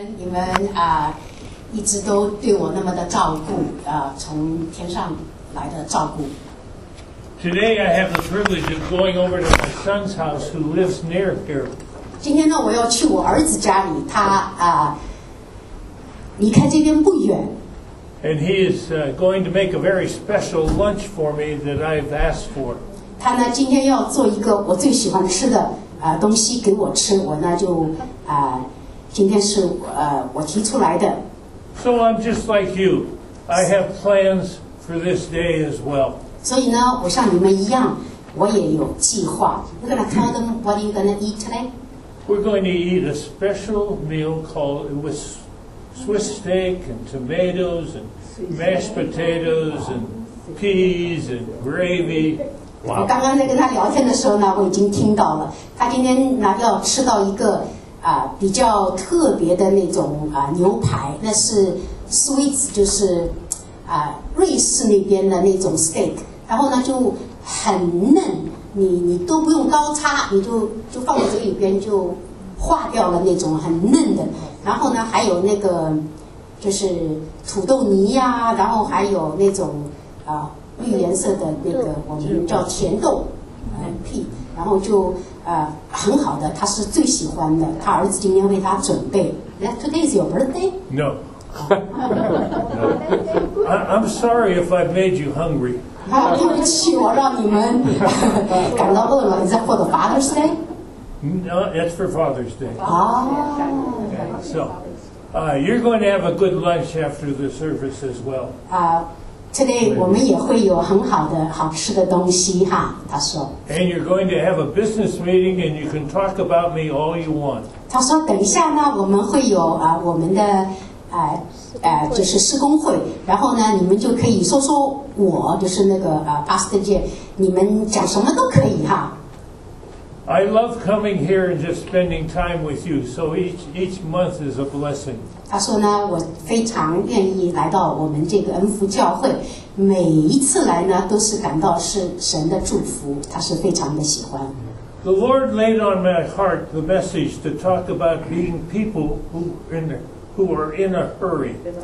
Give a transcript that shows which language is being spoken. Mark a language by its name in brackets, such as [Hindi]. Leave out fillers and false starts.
[Chinese] 你们一直都对我那么的照顾，从天上来的照顾。 [English] Today I have the privilege of going over to my son's house who lives near here. [Chinese] 今天呢，我要去我儿子家里，他离开这边不远。 [English] And he is going to make a very special lunch for me that I've asked for. [Chinese] 他呢，今天要做一个我最喜欢吃的东西给我吃，我呢就今天是我提出来的。 [English] So I'm just like you. I have plans for this day as well. [Chinese] 所以呢，我像你们一样，我也有计划。 [English] You're gonna tell them what you're gonna eat today. We're going to eat a special meal called with Swiss steak and tomatoes and mashed potatoes and peas and gravy. [Chinese] 我刚刚在跟他聊天的时候呢，我已经听到了，他今天呢要吃到一个。比较特别的那种牛排，那是 Swiss 就是瑞士那边的那种 steak， 然后呢就很嫩，你都不用刀叉，你就放在嘴里边就化掉了那种很嫩的。然后呢还有那个就是土豆泥呀、然后还有那种绿颜色的那个我们叫甜豆 MP， 然后就。很好的，他是最喜欢的。他儿子今天为他准备。 [English] Now, today is your birthday? No. I'm sorry if I've made you hungry. [Chinese] 对不起，我让你们感到饿了。 [English] Is that for the Father's Day? No, it's for Father's Day. Okay, so, you're going to have a good lunch after the service as well. [Chinese] Today, 我们也会有很好的好吃的东西哈，他说。 [English] And you're going to have a business meeting and you can talk about me all you want. [Chinese] 他说等一下呢，我们会有我们的就是施工会，然后呢你们就可以说说我，就是那个Pastor Jay，你们讲什么都可以哈。 [English] I love coming here and just spending time with you, so each month is a blessing. [Chinese] 他说呢，我非常愿意来到我们这个恩福教会，每一次来呢，都是感到是神的祝福，他是非常的喜欢。 [English] The Lord laid on my heart the message to talk about being people who are in a hurry.